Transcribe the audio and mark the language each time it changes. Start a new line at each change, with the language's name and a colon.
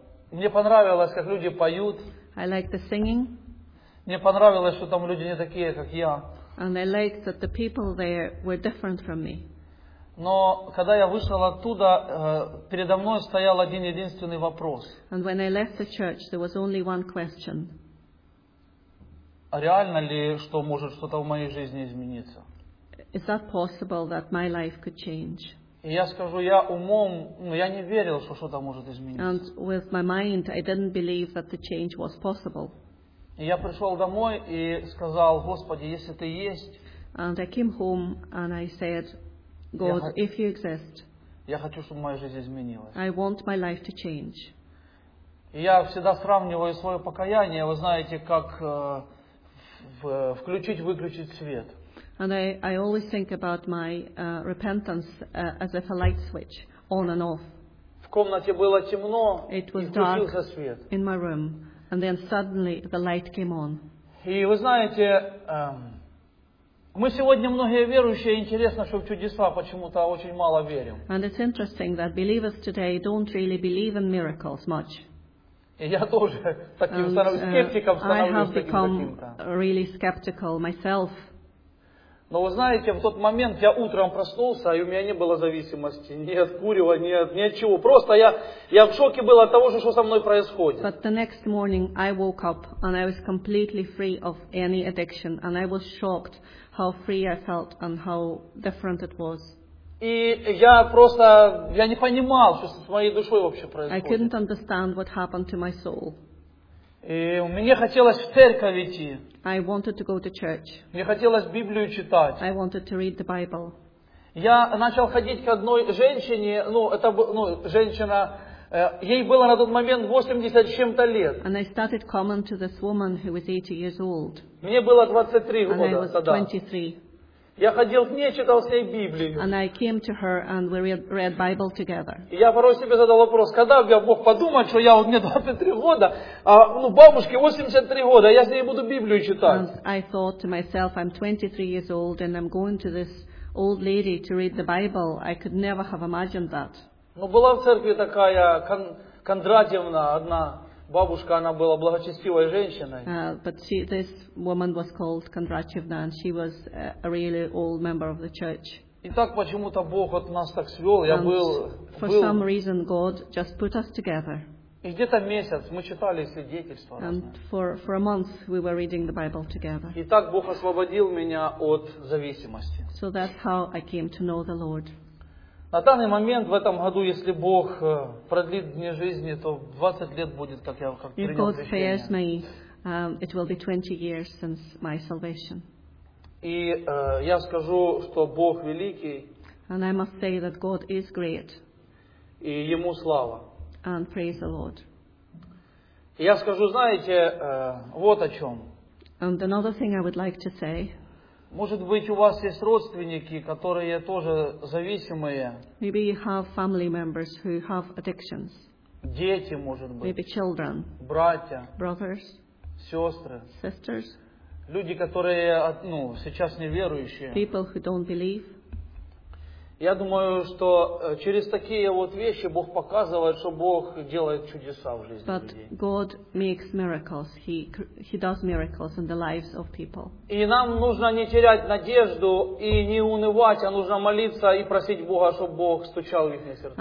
Russian: Мне понравилось, как люди поют.
English: I liked the singing.
Russian: Мне понравилось, что там люди не такие, как я.
English: And I liked that the people there were different from me.
Russian: Но когда я вышел оттуда, передо мной стоял один единственный вопрос.
English: And when I left the church, there was only one question.
Russian: А реально ли, что может что-то в моей жизни измениться?
English: Is that possible that my life could change?
Russian: Я скажу, я умом, ну, я не верил, что что-то может измениться.
English: And with my mind, I didn't believe that the change was possible.
Russian: И я пришел домой и сказал, Господи, если ты есть.
English: And I came home and I said, God, if you exist.
Russian: Я хочу, чтобы моя жизнь изменилась.
English: I want my life to change.
Russian: И я всегда сравниваю свое покаяние, вы знаете, как включить-выключить свет.
English: And I always think about my repentance as if a light switch on and off.
Russian: В комнате было темно,
English: it was dark
Russian: свет.
English: In my room, and then suddenly the light came on.
Russian: И вы знаете, мы сегодня многие верующие, интересно, что в чудеса почему-то очень мало верим.
English: And it's interesting that believers today don't really believe in miracles much.
Russian: И я тоже таким скептиком становлюсь.
English: I have become really skeptical myself.
Russian: Но вы знаете, в тот момент я утром проснулся, и у меня не было зависимости ни от курева, ни от чего. Просто я в шоке был от того, что со мной происходит.
English: But the next morning I woke up and I was completely free of any addiction, and I was shocked how free I felt and how different it was.
Russian: И я просто я не понимал, что с моей душой вообще происходит.
English: I couldn't understand what happened to my soul.
Russian: И мне хотелось в церковь идти.
English: I wanted to go to church.
Russian: Мне хотелось Библию читать.
English: I wanted to read the Bible.
Russian: Я начал ходить к одной женщине, ну, это, ну, женщина, ей было на тот момент 80 с чем-то лет.
English: And I started coming to this woman who was 80 years old.
Russian: Мне было 23 года тогда.
English: And I was 23.
Russian: Я ходил к ней, читал с ней Библию.
English: And I came to her and we read Bible together.
Russian: Я порой себе задал вопрос, когда я мог подумать, что я, вот мне 23 года, а, ну, бабушке 83 года, я с ней буду Библию читать.
English: And I thought to myself, I'm 23 years old and I'm going to this old lady to read the Bible. I could never have imagined that.
Russian: Но была в церкви такая Кондратьевна, одна бабушка, она была благочестивой женщиной.
English: But she, this woman was called Kondratyevna and she was a really old member of the church.
Russian: И так почему-то Бог от нас так свел.
English: And
Russian: я был,
English: for
Russian: был...
English: some reason God just put us together.
Russian: И где-то месяц мы читали свидетельства.
English: And for a month we were reading the Bible together.
Russian: И так Бог освободил меня от зависимости.
English: So that's how I came to know the Lord.
Russian: На данный момент, в этом году, если Бог продлит мне жизни, то 20 лет будет, как я как принял решение.
English: If God spares me, it will be 20 years since my salvation.
Russian: я скажу, что Бог великий.
English: And I must say that God is great.
Russian: И ему слава.
English: And praise the Lord.
Russian: Я скажу, знаете, вот о чем.
English: And another thing I would like to say.
Russian: Может быть, у вас есть родственники, которые тоже зависимые.
English: Maybe you have family members who have addictions.
Russian: Дети, может быть.
English: Maybe children.
Russian: Братья.
English: Brothers.
Russian: Сестры.
English: Sisters.
Russian: Люди, которые, ну, сейчас неверующие.
English: People who don't believe.
Russian: Я думаю, что через такие вот вещи Бог показывает, что Бог делает чудеса в жизни
English: But
Russian: людей.
English: God makes miracles. He does miracles in the lives of people.
Russian: И нам нужно не терять надежду и не унывать, а нужно молиться и просить Бога, чтобы Бог стучал в их сердца.